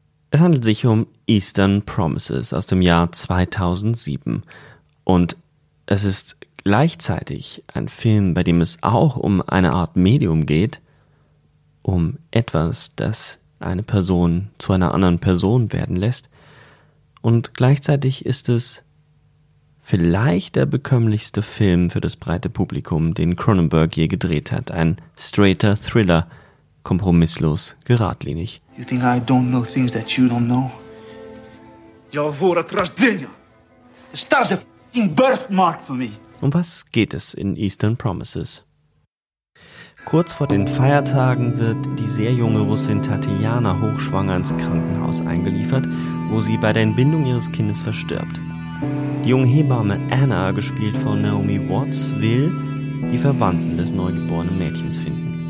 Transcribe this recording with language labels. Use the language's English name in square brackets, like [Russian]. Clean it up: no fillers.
[German] Es handelt sich um Eastern Promises aus dem Jahr 2007 und es ist gleichzeitig ein Film, bei dem es auch um eine Art Medium geht, um etwas, das eine Person zu einer anderen Person werden lässt, und gleichzeitig ist es vielleicht der bekömmlichste Film für das breite Publikum, den Cronenberg je gedreht hat, ein straighter Thriller, kompromisslos, geradlinig. [English] You think I don't know things that you don't know? [Russian] Я вор от рождения. [English] The stars are a birthmark for me. [German] Um was geht es in Eastern Promises? Kurz vor den Feiertagen wird die sehr junge Russin Tatjana hochschwanger ins Krankenhaus eingeliefert, wo sie bei der Entbindung ihres Kindes verstirbt. Die junge Hebamme Anna, gespielt von Naomi Watts, will die Verwandten des neugeborenen Mädchens finden.